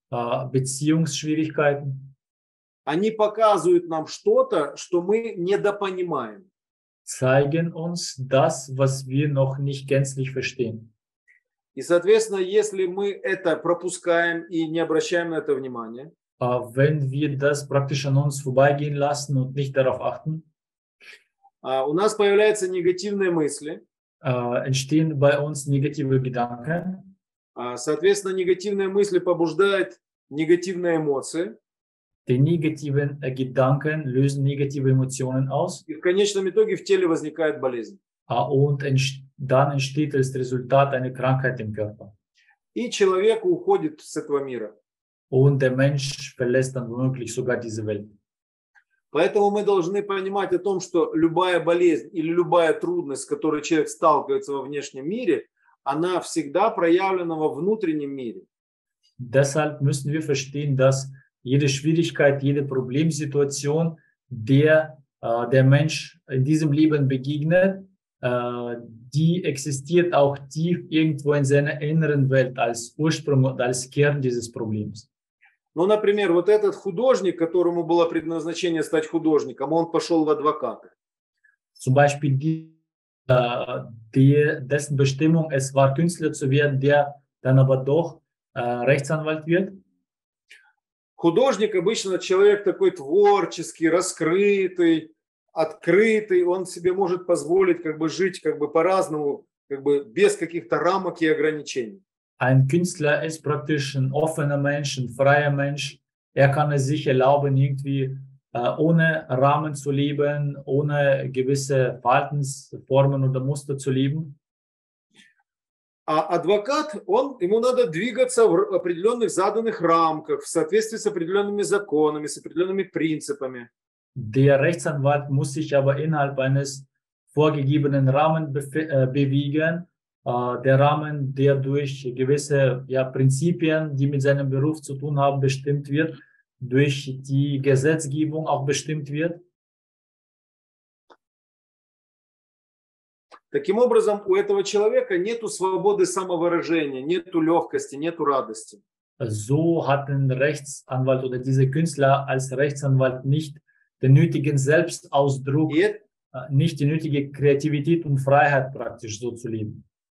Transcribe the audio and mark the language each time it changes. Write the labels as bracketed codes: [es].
[de] Beziehungsschwierigkeiten. [ru] Они показывают нам что-то, что мы недопонимаем. [de] Zeigen uns das, was wir noch nicht gänzlich verstehen. [ru] И, соответственно, если мы это пропускаем и не обращаем на это внимание, [de] wenn wir das praktisch an uns vorbeigehen lassen und nicht darauf achten, [ru] у нас появляются негативные мысли, [de] entstehen bei uns negative Gedanken. [ru] Соответственно, негативные мысли побуждают негативные эмоции. [de] Die negativen Gedanken lösen negative Emotionen aus. [ru] И в конечном итоге в теле возникает болезнь. [de] Und dann entsteht als Resultat eine Krankheit im Körper. [ru] И человек уходит с этого мира. [de] Und der Mensch verlässt dann womöglich sogar diese Welt. [ru] Поэтому мы должны понимать о том, что любая болезнь или любая трудность, с которой человек сталкивается во внешнем мире, она всегда проявлена во внутреннем мире. [de] Deshalb müssen wir verstehen, dass jede Schwierigkeit, jede Problemsituation, der der Mensch in diesem Leben begegnet, die existiert auch tief irgendwo in seiner inneren Welt als Ursprung und als Kern dieses Problems. [ru] Ну, например, вот этот художник, которому было предназначение стать художником, он пошел в адвокаты. [de] Zum Beispiel dessen Bestimmung es war, Künstler zu werden, der dann aber doch Rechtsanwalt wird. [ru] Художник обычно человек такой творческий, раскрытый, открытый, он себе может позволить как бы жить как бы по-разному, как бы без каких-то рамок и ограничений. [de] Ein Künstler ist praktisch ein offener Mensch, ein freier Mensch. Kann es sich erlauben, irgendwie ohne Rahmen zu leben, ohne gewisse Verhaltensformen oder Muster zu leben. [ru] А адвокат, ему надо двигаться в определенных заданных рамках, в соответствии с определенными законами, с определенными принципами. [de] Der Rechtsanwalt muss sich aber innerhalb eines vorgegebenen Rahmen bewegen. Der Rahmen, der durch gewisse Prinzipien, die mit seinem Beruf zu tun haben, bestimmt wird, durch die Gesetzgebung auch bestimmt wird. [ru] Таким образом, у этого человека нету свободы самовыражения, нету легкости, нету радости. [de] So hat ein Rechtsanwalt oder dieser Künstler als Rechtsanwalt nicht den nötigen Selbstausdruck, nicht die nötige Kreativität und Freiheit praktisch so zu leben.